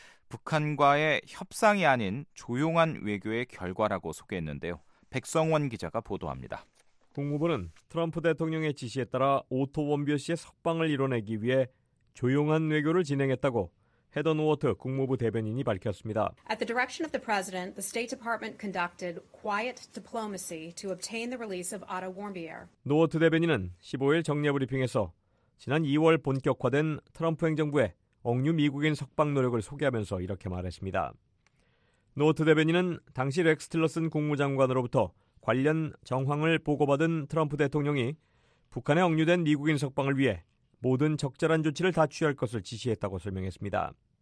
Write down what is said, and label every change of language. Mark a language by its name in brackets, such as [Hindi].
[Korean] 북한과의 협상이 아닌 조용한 외교의 결과라고 소개했는데요. 백성원 기자가 보도합니다. 국무부는 트럼프 대통령의 지시에 따라 오토 원비어 씨의 석방을 이뤄내기 위해 조용한 외교를 진행했다고 헤던 워터 국무부 대변인이 밝혔습니다. [English] At the direction of the president, the State Department conducted quiet diplomacy to obtain the release of Otto Warmbier. [Korean] 노워트 대변인은 15일 정례 브리핑에서 지난 2월 본격화된 트럼프 행정부의 억류 미국인 석방 노력을 소개하면서 이렇게 말했습니다. 노워트 대변인은 당시 렉스 틸러슨 국무장관으로부터 관련 정황을 보고받은 트럼프 대통령이 북한에 억류된 미국인 석방을 위해 모든 적절한 조치를 다 취할 것을 지시했다고 설명했습니다.